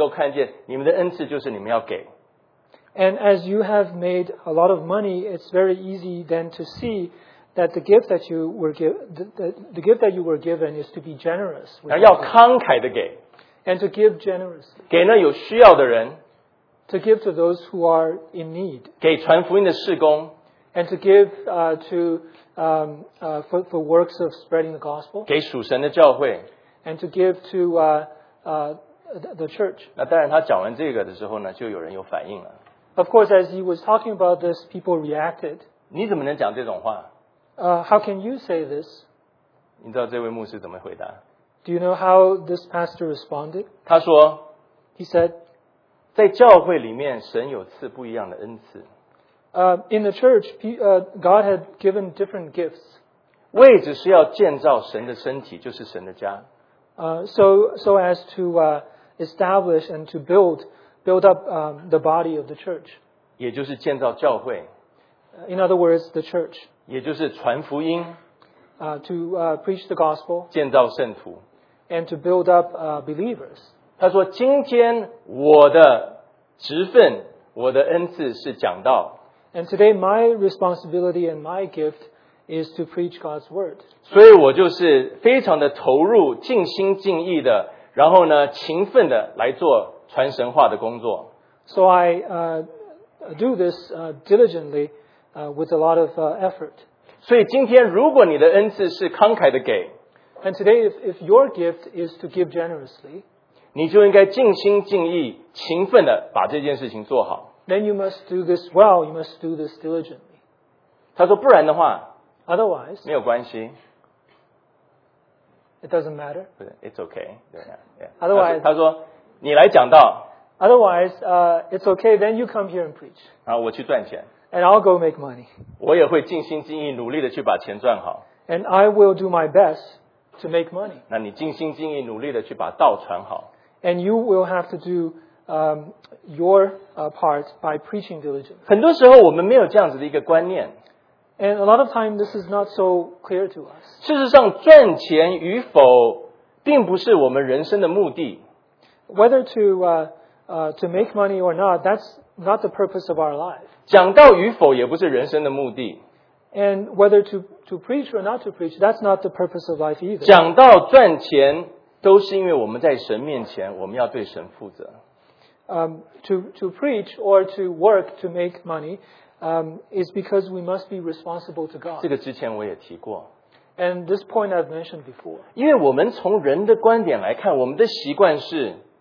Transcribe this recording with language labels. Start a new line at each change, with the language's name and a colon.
Chinese: 他就说你们努力的赚钱,然后呢,你们有钱了以后,很容易的能够看见你们的恩赐就是你们要给。
English: And as you have made a lot of money, it's very easy then to see that the gift that you were the gift that you were given is to be generous.
Chinese: 要慷慨的给,
English: and to give generously.
Chinese: 给那有需要的人,
English: to give to those who are in need.
Chinese: 给传福音的事工,
English: and to give for works of spreading the gospel.
Chinese: 给属神的教会,
English: and to give to the church.
Chinese: 那当然他讲完这个的时候呢,就有人有反应了。
English: Of course, as he was talking about this, people reacted.
Chinese: 你怎么能讲这种话?
English: How can you say this?
Chinese: 你知道这位牧师怎么回答?
English: Do you know how this pastor responded?
Chinese: 他说,
English: he said,
Chinese: 在教会里面神有赐不一样的恩赐。
English: In the church, God had given different gifts.
Chinese: 位置是要建造神的身体,就是神的家。
English: So as to establish and to build up the body of the church.
Chinese: 也就是建造教会。
English: In other words, the church.
Chinese: 也就是传福音,
English: to preach the gospel,
Chinese: 建造圣徒,
English: and to build up believers.
Chinese: 他说,今天我的职分, 我的恩赐是讲道,
English: and today my responsibility and my gift is to preach God's word.
Chinese: 所以我就是非常的投入,尽心尽意的, 然后呢,勤奋的来做传神话的工作。
English: So I do this diligently with a lot of effort.
Chinese: 所以今天如果你的恩赐是慷慨的给,
English: and today if your gift is to give generously,
Chinese: 你就应该尽心尽意,勤奋地把这件事情做好,
English: then you must do this well, you must do this diligently.
Chinese: 他说不然的话,
English: otherwise,
Chinese: 没有关系,
English: it doesn't matter. It's okay. Yeah. Otherwise,
Chinese: 他说你来讲道,
English: otherwise, it's okay, then you come here and preach.
Chinese: 然后我去赚钱,
English: and I'll go make money.
Chinese: 我也会尽心尽意努力地去把钱赚好。
English: And I will do my best to make money.
Chinese: 那你尽心尽意努力地去把道传好。
English: And you will have to do your part by preaching diligently.
Chinese: 很多时候我们没有这样子的一个观念。
English: And a lot of time this is not so clear to us.
Chinese: 事实上赚钱与否并不是我们人生的目的。
English: Whether to make money or not, that's not the purpose of our life.
Chinese: 讲道与否也不是人生的目的。
English: And whether to preach or not to preach, that's not the purpose of life either.
Chinese: 讲道赚钱都是因为我们在神面前,我们要对神负责。
English: to preach or to work to make money, is because we must be responsible to God.
Chinese: 这个之前我也提过,
English: and this point I've mentioned before.
Chinese: 因为我们从人的观点来看, 我们的习惯是,